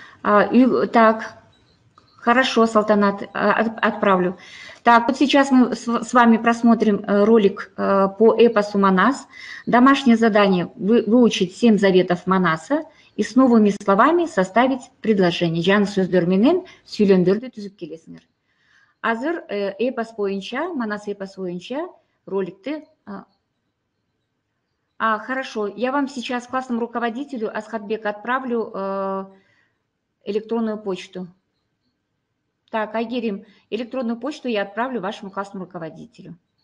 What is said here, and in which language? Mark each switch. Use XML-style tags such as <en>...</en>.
<ru>Так, хорошо, Салтанат, отправлю. Так, вот сейчас мы с вами просмотрим ролик по эпосу Манас. Домашнее задание – выучить семь заветов Манаса и с новыми словами составить предложение.</ru> <kk>Жан сөздерменен сөйлемдерді түзіп келесіңер. Азыр эпос бойынша, Манас эпос бойынша роликті.</kk> <ru>Хорошо, я вам сейчас классному руководителю Асхатбек отправлю электронную почту. Так, Айгерим, электронную почту я отправлю вашему классному руководителю.</ru>